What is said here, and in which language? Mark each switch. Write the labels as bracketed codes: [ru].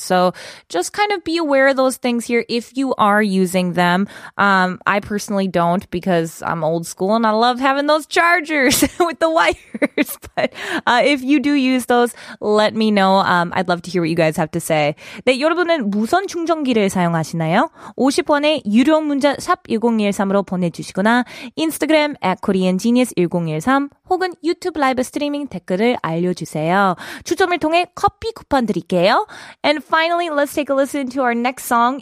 [en] So just kind of be aware of those things here if you are using them. I personally don't, because I'm old school and I love having those chargers with the wires. But if you do use those, let me know. I'd love to hear what you guys have to say. [ko] 네, 여러분은 무선 충전기를 사용하시나요? 50원의 유료 문자 샵1013으로 보내주시거나 인스타그램 @koreangenius1013 혹은 유튜브 라이브 스트리밍 댓글을 알려주세요. 추첨을 통해 커피 쿠폰 드릴게요. [en] And finally, let's take a listen to our next song.